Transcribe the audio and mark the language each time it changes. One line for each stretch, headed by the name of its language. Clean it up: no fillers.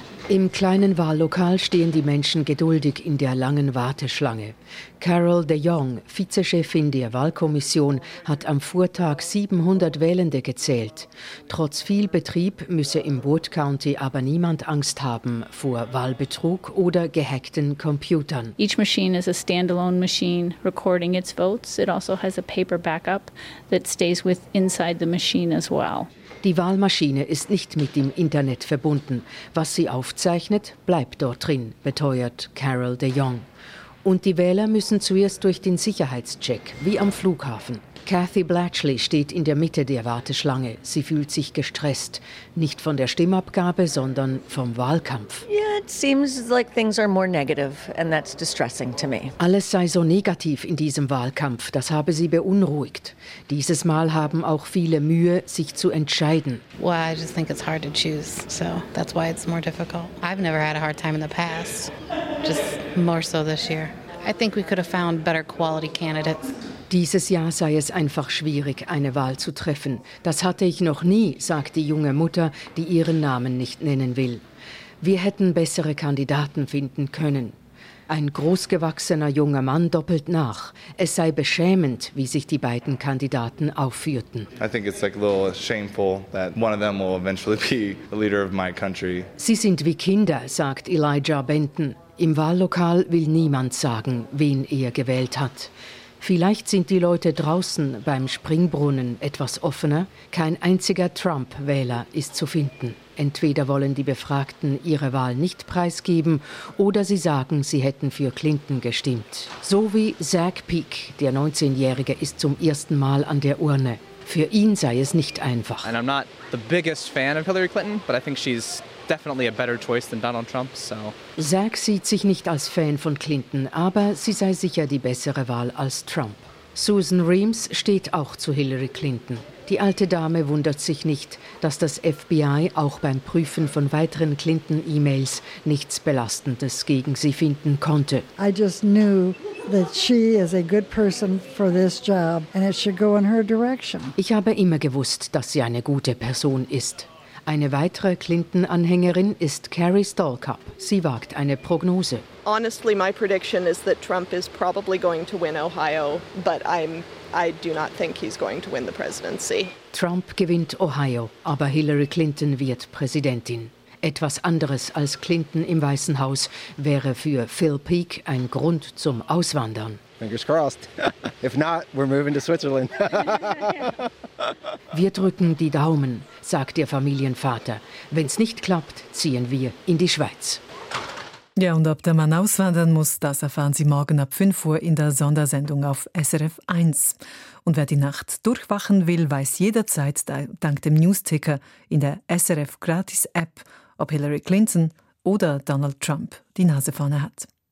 German: Im kleinen Wahllokal stehen die Menschen geduldig in der langen Warteschlange. Carol DeYoung, Vizechefin der Wahlkommission, hat am Vortag 700 Wählende gezählt. Trotz viel Betrieb müsse im Wood County aber niemand Angst haben vor Wahlbetrug oder gehackten Computern.
English: Each machine is a standalone machine recording its votes. It also has a paper backup that stays with inside the machine as well.
German: Die Wahlmaschine ist nicht mit dem Internet verbunden. Was sie aufzeichnet, bleibt dort drin, beteuert Carol DeYoung. Und die Wähler müssen zuerst durch den Sicherheitscheck, wie am Flughafen. Kathy Blatchley steht in der Mitte der Warteschlange. Sie fühlt sich gestresst, nicht von der Stimmabgabe, sondern vom Wahlkampf.
English: Yeah, it seems like things are more negative and that's distressing to me.
German: Alles sei so negativ in diesem Wahlkampf, das habe sie beunruhigt. Dieses Mal haben auch viele Mühe, sich zu entscheiden.
English: Well, I just think it's hard to choose, so that's why it's more difficult. I've never had a hard time in the past, just more so this year. I think we could have found better quality candidates.
German: Dieses Jahr sei es einfach schwierig, eine Wahl zu treffen. Das hatte ich noch nie, sagt die junge Mutter, die ihren Namen nicht nennen will. Wir hätten bessere Kandidaten finden können. Ein großgewachsener junger Mann doppelt nach. Es sei beschämend, wie sich die beiden Kandidaten aufführten.
English: I think it's like a little shameful that one of them will eventually be the leader of my country.
German: Sie sind wie Kinder, sagt Elijah Benton. Im Wahllokal will niemand sagen, wen er gewählt hat. Vielleicht sind die Leute draußen beim Springbrunnen etwas offener. Kein einziger Trump-Wähler ist zu finden. Entweder wollen die Befragten ihre Wahl nicht preisgeben oder sie sagen, sie hätten für Clinton gestimmt. So wie Zach Peak, der 19-Jährige, ist zum ersten Mal an der Urne. Für ihn sei es nicht einfach.
English: And I'm not the biggest fan of Hillary Clinton, but I think she's definitely a better choice than Donald Trump, so.
German: Zach sieht sich nicht als Fan von Clinton, aber sie sei sicher die bessere Wahl als Trump. Susan Reams steht auch zu Hillary Clinton. Die alte Dame wundert sich nicht, dass das FBI auch beim Prüfen von weiteren Clinton-E-Mails nichts Belastendes gegen sie finden konnte.
English: I just knew that she is a good person for this job and it should go in her direction.
German: Ich habe immer gewusst, dass sie eine gute Person ist. Eine weitere Clinton-Anhängerin ist Carrie Stolkapp. Sie wagt eine Prognose.
English: Honestly, my prediction is that Trump is probably going to win Ohio, but I do not think he's going to win the presidency.
German: Trump gewinnt Ohio, aber Hillary Clinton wird Präsidentin. Etwas anderes als Clinton im Weißen Haus wäre für Phil Peak ein Grund zum Auswandern.
English: Fingers crossed. If not, we're moving to Switzerland.
German: Wir drücken die Daumen, sagt der Familienvater. Wenn's nicht klappt, ziehen wir in die Schweiz. Ja, und ob der Mann auswandern muss, das erfahren Sie morgen ab 5 Uhr in der Sondersendung auf SRF 1. Und wer die Nacht durchwachen will, weiß jederzeit dank dem News-Ticker in der SRF-Gratis-App, ob Hillary Clinton oder Donald Trump die Nase vorne hat.